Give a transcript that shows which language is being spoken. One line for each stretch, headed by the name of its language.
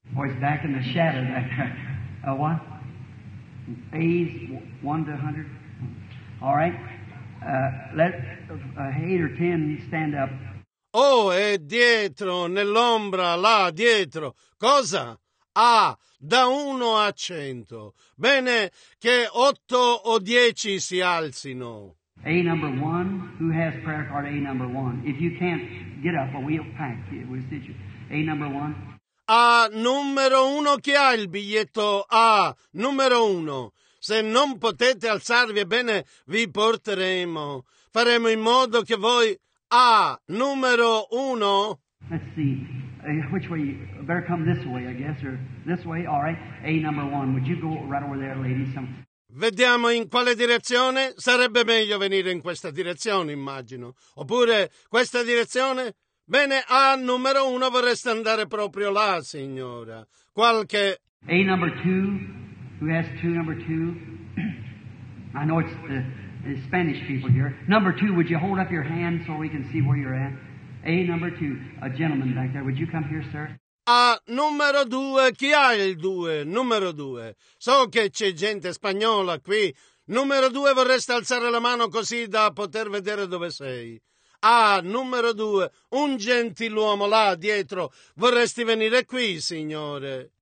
English: Oh, he's back in the shadow back there. What? A's 1 to 100. All right. Let 8 or 10 stand up.
Italian: Oh, è dietro, nell'ombra, là dietro. Cosa? Ah, da 1 a 100. Bene, che 8 o 10 si alzino.
English: A number 1, who has prayer card A number 1? If you can't get up, well, we'll pack it. We'll stitch it. A number 1.
Italian: A numero 1, chi ha il biglietto A? Numero 1. Se non potete alzarvi, ebbene, vi porteremo. Faremo in modo che voi... A, numero 1.
English: Let's see. Which way? Better come this way, I guess. Or this way, all right. A number 1. Would you go right over there, lady?
Italian: Vediamo in quale direzione. Sarebbe meglio venire in questa direzione, immagino. Oppure questa direzione... Bene, A numero 1 vorreste andare proprio là, signora. Qualche...
English: A number 2, who has 2 number 2? I know it's the Spanish people here. Number 2, would you hold up your hand so we can see where you're at? A number 2, a gentleman back there, would you come here, sir?
Italian: A numero 2, chi ha il 2? Numero 2. So che c'è gente spagnola qui. Numero 2, vorreste alzare la mano così da poter vedere dove sei? A numero 2, un gentiluomo là dietro, vorresti venire qui, signore?